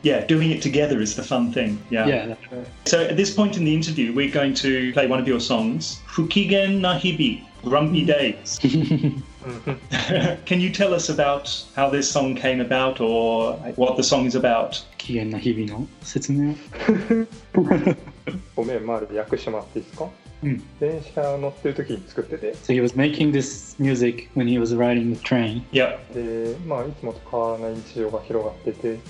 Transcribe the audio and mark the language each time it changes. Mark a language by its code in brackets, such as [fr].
[en] Yeah, doing it together is the fun thing. Yeah. Yeah, that's right. So at this point in the interview, we're going to play one of your songs, Fukigen na Hibi, Grumpy Days. Can you tell us about how this song came about or what the song is about? [ja] 機嫌な日々の説明ごめん、まる訳してもらっていいですか、うん、電車乗ってる時に作ってて [en] So he was making this music when he was riding the train Yeah [ja] で、まあ、いつもと変わらない日常が広がってて